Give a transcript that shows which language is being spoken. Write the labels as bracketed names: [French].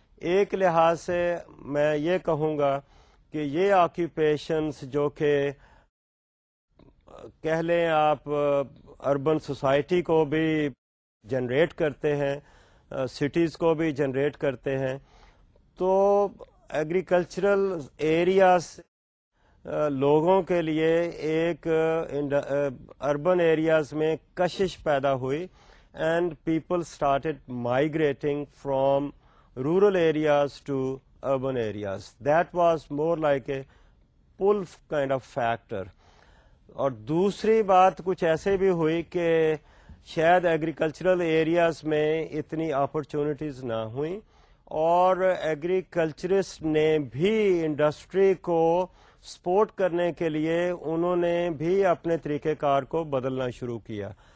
[Urdu] ایک لحاظ سے میں یہ کہوں گا کہ یہ آکیوپیشنس جو کہہ لیں آپ اربن سوسائٹی کو بھی جنریٹ کرتے ہیں, سٹیز کو بھی جنریٹ کرتے ہیں, تو ایگریکلچرل ایریاز لوگوں کے لیے ایک اربن ایریاز میں کشش پیدا ہوئی, [English] And people started migrating from rural areas to urban areas. That was more like a pull kind of factor. [Urdu] اور دوسری بات کچھ ایسے بھی ہوئی کہ شاید agricultural areas میں اتنی opportunities نہ ہوئیں اور agriculturist نے بھی industry کو support کرنے کے لیے انہوں نے بھی اپنے طریقہ کار کو بدلنا شروع کیا.